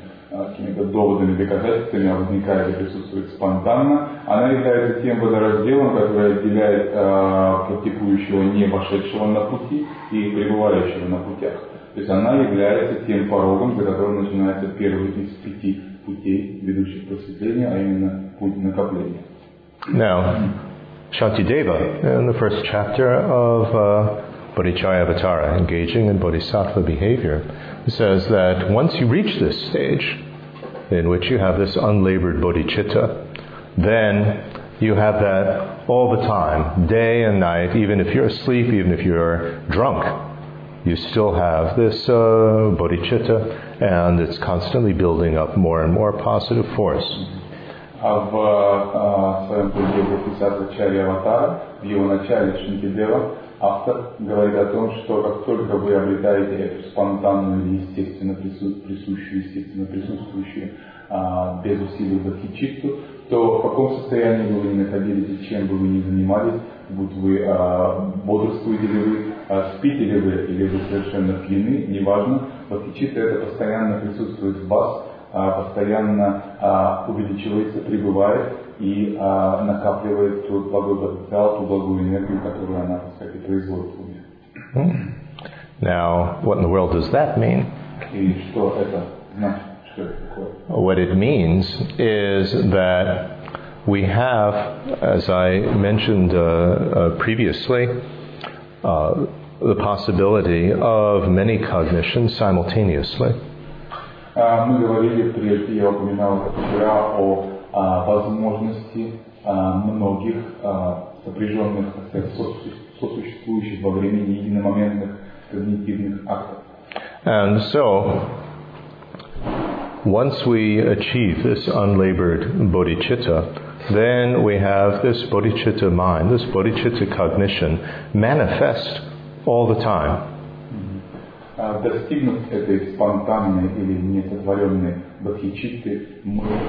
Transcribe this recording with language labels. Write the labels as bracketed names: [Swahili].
[Russian] Какими-то доводами, доказательствами, а возникает и присутствует спонтанно, она является тем водоразделом, который отделяет практикующего не вошедшего на пути и пребывающего на путях. То есть она является тем порогом, за которым начинается первый из пяти путей, ведущих к просветлению, а именно путь накопления. [English] Now, Shantideva, in the first chapter of Bodhicayavatara, engaging in bodhisattva behavior, says that once you reach this stage, in which you have this unlabored bodhicitta, then you have that all the time, day and night, even if you're asleep, even if you're drunk, you still have this bodhicitta, and it's constantly building up more and more positive force. [Russian] В своем пути бодхисаттва Чарьяватара, в его начале Шантидева, автор говорит о том, что как только вы обретаете эту спонтанную, естественно присущую, естественно присутствующую, без усилий бодхичитту, то в каком состоянии бы вы ни находились и чем бы вы ни занимались, будь вы бодрствуете ли вы, спите ли вы, или вы совершенно пьяны, неважно, бодхичитта это постоянно присутствует в вас, постоянно увеличивается, пребывает и накапливает тот благой потенциал, ту благую энергию, которую она, так сказать, производит в уме. [English] Now, what in the world does that mean? [Russian] И что это значит? Что это такое? [English] What it means is that we have, as I mentioned previously, the possibility of many cognitions simultaneously. [Russian] Мы говорили прежде, я упоминал вчера о возможности многих сопряженных, так сказать, сосуществующих во времени единомоментных когнитивных актов. [English] And so, once we achieve this unlabored bodhicitta, then we have this bodhicitta mind, this bodhicitta cognition manifest all the time. [Russian] Достигнув этой спонтанной или несотворенной бодхичитты, мы,